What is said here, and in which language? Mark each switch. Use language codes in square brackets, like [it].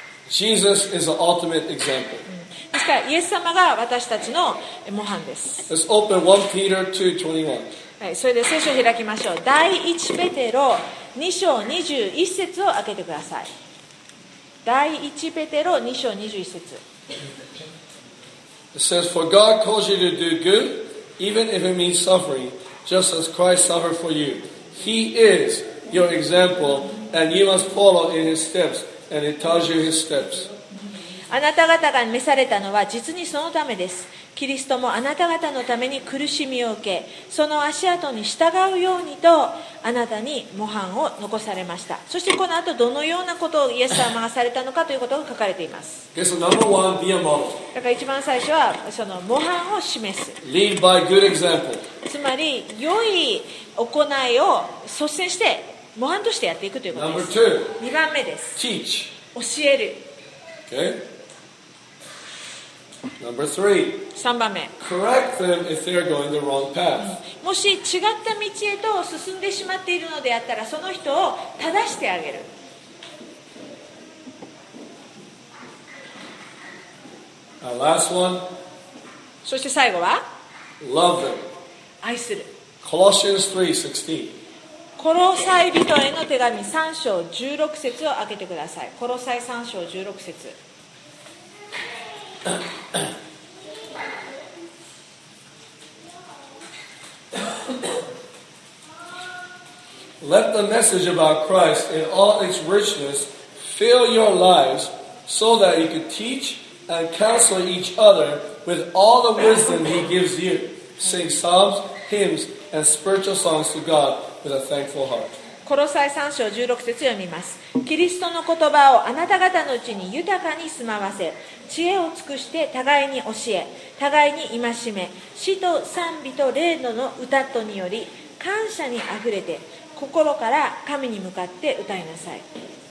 [en] Jesus is the ultimate example. [ja] ですからイエス様が私たちの模範です。 [en] Let's open 1 Peter 2:21. [ja] はい、それで聖書を開きましょう。第1ペテロ2章21節を開けてください。第1ペテロ2章21節。 [en] It says, For God calls you to do good, even if it means suffering, just as Christ suffered for you. He is your example, and you must follow in His steps, and it tells you His steps. [ja] あなた方が召されたのは実にそのためです。キリストもあなた方のために苦しみを受け、その足跡に従うようにとあなたに模範を残されました。そしてこの後どのようなことをイエス様がされたのかということが書かれています。 [en] Okay, so number one, be a model. [ja] だから一番最初はその模範を示す。 [en] Lead by good example. [ja] つまり良い行いを率先して模範としてやっていくということです。 [en] Number two, [ja] 二番目です。 [en] Teach. [ja] 教える。 [en] OkayNumber three. [ja] 3番目。 [en] Correct them if they're going the wrong path. [ja] もし違った道へと進んでしまっているのであったら、その人を正してあげる。 [en] Our last one. [ja] そして最後は。 [en] Love them. [ja] 愛する。 [en] Colossians 3:16. [ja] コロサイ人への手紙3章16節を開けてください。コロサイ3章16節。 [en] Let the message about Christ in all its richness fill your lives so that you can teach and counsel each other with all the wisdom He gives you. Sing psalms, hymns, and spiritual songs to God with a thankful heart. [ja] コロサイ3章16節を読みます。キリストの言葉をあなた方のうちに豊かに住まわせ、知恵を尽くして互いに教え、互いに戒め、詩と賛美と霊の歌とにより感謝にあふれて心から神に向かって歌いなさい。